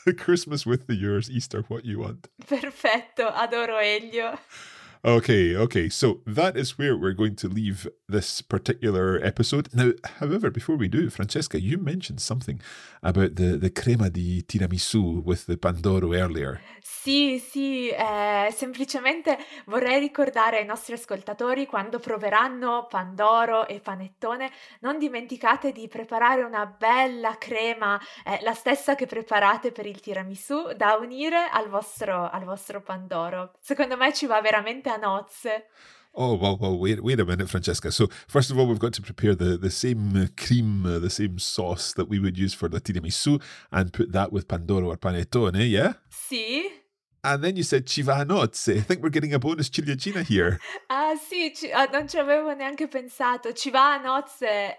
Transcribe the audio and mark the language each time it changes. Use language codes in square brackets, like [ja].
[en] Christmas with the yours, Easter what you want. [it] Perfetto. Adoro Elio. [en] Okay, so that is where we're going to leave this particular episode. Now, however, before we do, Francesca, you mentioned something about the crema di tiramisù with the pandoro earlier. [it] Sì, semplicemente vorrei ricordare ai nostri ascoltatori, quando proveranno pandoro e panettone, non dimenticate di preparare una bella crema, la stessa che preparate per il tiramisù, da unire al vostro pandoro. Secondo me ci va veramente a nozze. [en] Oh, well, wait a minute, Francesca. So, first of all, we've got to prepare the same cream, the same sauce that we would use for the tiramisù, and put that with pandoro or panettone, yeah? [it] Sì. [en] And then you said [it] ci va a nozze. [en] I think we're getting a bonus ciliegina here. [it] Ah, sì, non ci avevo neanche pensato. Ci va a nozze.